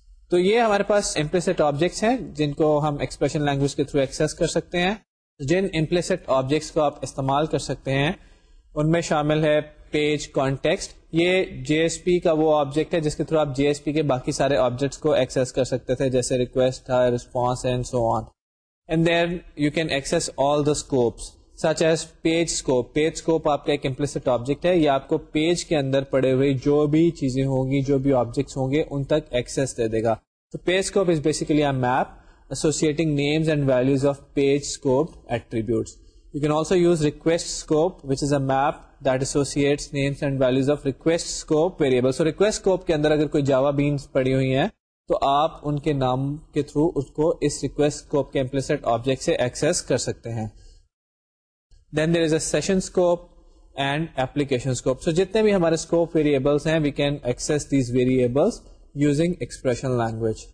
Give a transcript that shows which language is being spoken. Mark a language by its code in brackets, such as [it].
[ur] تو یہ ہمارے پاس امپلیسٹ آبجیکٹس ہیں جن کو ہم ایکسپریشن لینگویج کے تھرو ایکسس کر سکتے ہیں. جن امپلیسٹ آبجیکٹس کو آپ استعمال کر سکتے ہیں ان میں شامل ہے پیج کانٹیکسٹ, یہ جی ایس پی کا وہ آبجیکٹ ہے جس کے تھرو آپ جی ایس پی کے باقی سارے آبجیکٹس کو ایکسس کر سکتے تھے, جیسے ریکویسٹ تھا, response and so on. [en] And then you can access all the scopes such as page scope. [ur] Page scope آپ کا ایک implicit object ہے, یہ آپ کو پیج کے اندر پڑے ہوئے جو بھی چیزیں ہوں گی, جو بھی آبجیکٹس ہوں گے ان تک ایکسیس دے دے گا. [en] تو page scope is basically a map associating names and values of page scope attributes. You can also use request scope which is a map that associates names and values of request scope variable. [ur] So request scope کے اندر اگر کوئی جاوا بینس پڑی ہوئی ہیں تو آپ ان کے نام کے تھرو اس کو اس ریکویسٹ اسکوپ کے امپلیسٹ آبجیکٹ سے ایکسس کر سکتے ہیں. [en] Then there is a session scope and application scope. [ur] سو جتنے بھی ہمارے اسکوپ ویریبلس ہیں [en] We can access these variables using expression language.